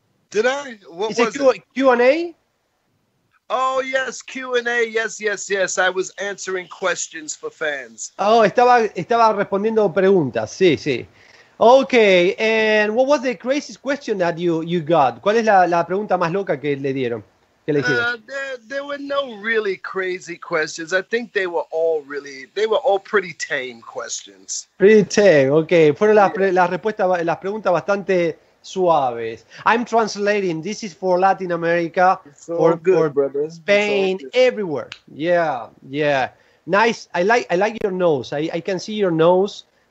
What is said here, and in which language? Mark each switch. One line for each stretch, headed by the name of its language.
English: Did I? What was it? Q&A? Oh, yes, Q&A. Yes. I was answering questions for fans.
Spanish: Oh, estaba respondiendo preguntas. Sí.
English: Okay, and what was the craziest question that you got?
Spanish: ¿Cuál es la pregunta más loca que le dieron?
English: There were no really crazy questions. I think they were all pretty tame questions. Pretty tame, okay.
Spanish: Fueron las preguntas bastante suaves.
English: I'm translating. This is for Latin America, for Spain, everywhere. Yeah. Nice. I like your nose. I can see your nose.